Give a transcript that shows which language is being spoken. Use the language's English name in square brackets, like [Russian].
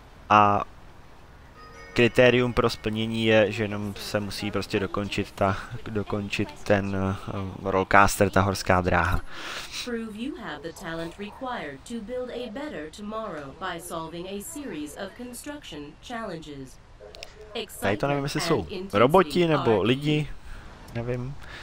[Czech] A kritérium pro splnění je, že jenom se musí prostě dokončit ten rollcaster, ta horská dráha. [English] Prove you have the talent required to build a better tomorrow by solving a series of construction challenges. [Czech] Tady to nevím, jestli jsou roboti nebo lidi, nevím.